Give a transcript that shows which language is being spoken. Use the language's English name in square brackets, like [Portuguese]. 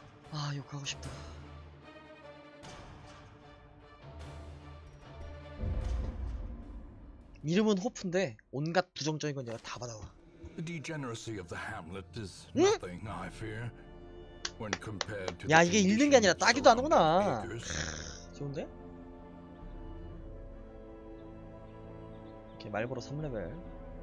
[Korean] 아, 욕하고 싶다. 이름은 호프인데 온갖 부정적인 건 내가 다 받아와. [English] The degeneracy of the hamlet is nothing, I fear. When compared to [Korean] 야, 이게 읽는 게 아니라 따기도 하는구나. 좋은데? 이렇게 말보로 3레벨.